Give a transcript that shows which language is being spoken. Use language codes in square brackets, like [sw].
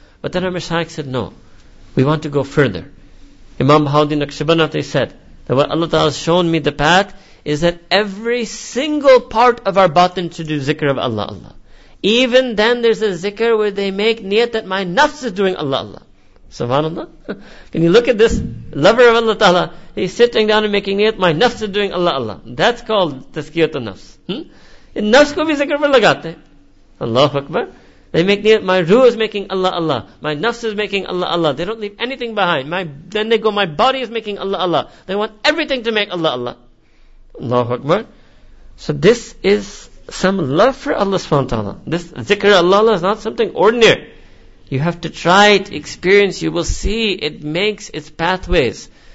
[en] But then our mashayikh said, no, we want to go further. Imam Bahauddin Naqshbandi said that what Allah Ta'ala has shown me the path is that every single part of our batin should do zikr of Allah Allah. Even then there's a zikr where they make niyat that my nafs is doing Allah Allah. Subhanallah. Can you look at this lover of Allah Ta'ala? He's sitting down and making niyat, my nafs is doing Allah Allah. That's called tazkiyat al-nafs. [ur] ان نفس کو بھی ذکر پر لگاتے۔ [ar] Allahu Akbar. [en] They make niyat, my ruh is making Allah Allah. My nafs is making Allah Allah. They don't leave anything behind. My body is making Allah Allah. They want everything to make Allah Allah. Allahu Akbar. So this is some love for Allah subhanahu wa ta'ala. This zikr Allah Allah is not something ordinary. You have to try it, experience, you will see it makes its pathways.